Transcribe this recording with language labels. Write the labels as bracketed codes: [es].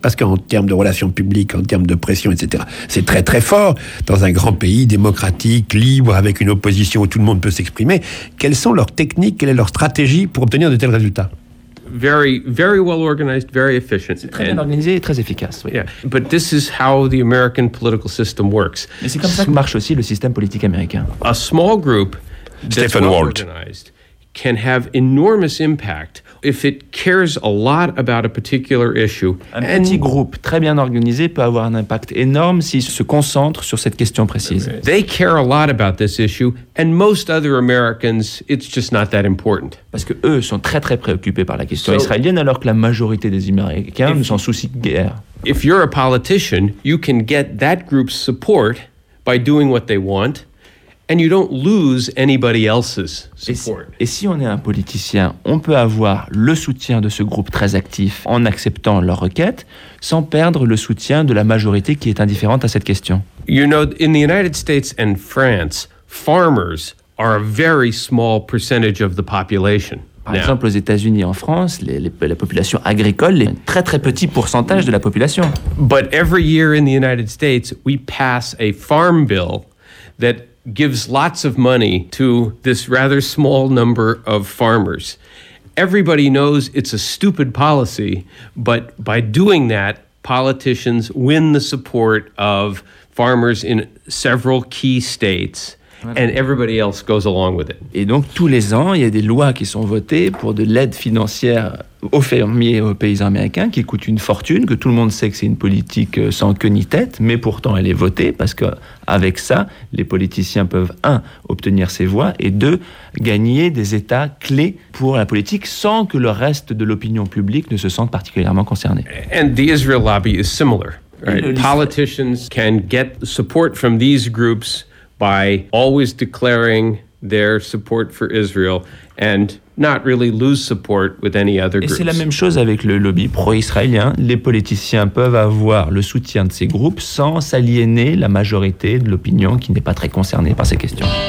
[fr] Parce qu'en termes de relations publiques, en termes de pression, etc., c'est très très fort dans un grand pays démocratique, libre, avec une opposition où tout le monde peut s'exprimer. Quelles sont leurs techniques ? Quelle est leur stratégie pour obtenir de tels résultats ? [en] very, very well organized, very efficient. [fr] C'est très bien organisé et très efficace, oui. [en] Yeah. But this is how the American political system works. [fr] Mais c'est comme ça que marche aussi le système politique américain. [en] A small group that's well organized can have enormous impact if it cares a lot about a particular issue. [fr] Un petit groupe très bien organisé peut avoir un impact énorme s'il se concentre sur cette question précise. [en] They care a lot about this issue, and most other Americans, it's just not that important. [fr] Parce que eux sont très très préoccupés par la question israélienne, alors que la majorité des Américains ne s'en soucient guère. [en] If you're a politician, you can get that group's support by doing what they want. And you don't lose anybody else's support. [fr] Et si on est un politicien, on peut avoir le soutien de ce groupe très actif en acceptant leurs requêtes, sans perdre le soutien de la majorité qui est indifférente à cette question. [en] You know, in the United States and France, farmers are a very small percentage of the population. [fr] Par exemple, aux États-Unis et en France, la population agricole est un très très petit pourcentage de la population. [en] But every year in the United States, we pass a farm bill that gives lots of money to this rather small number of farmers. Everybody knows it's a stupid policy, but by doing that, politicians win the support of farmers in several key states, and everybody else goes along with it. [fr] Et donc, tous les ans, il y a des lois qui sont votées pour de l'aide financière aux fermiers et aux paysans américains, qui coûte une fortune, que tout le monde sait que c'est une politique sans queue ni tête, mais pourtant elle est votée, parce qu'avec ça, les politiciens peuvent, un, obtenir ses voix, et deux, gagner des états clés pour la politique, sans que le reste de l'opinion publique ne se sente particulièrement concerné. [en] And the Israel lobby is similar. Right? Politicians can get support from these groups by always declaring their support for Israel and not really lose support with any other groups. [fr] Et c'est la même chose avec le lobby pro-israélien. Les politiciens peuvent avoir le soutien de ces groupes sans s'aliéner la majorité de l'opinion qui n'est pas très concernée par ces questions.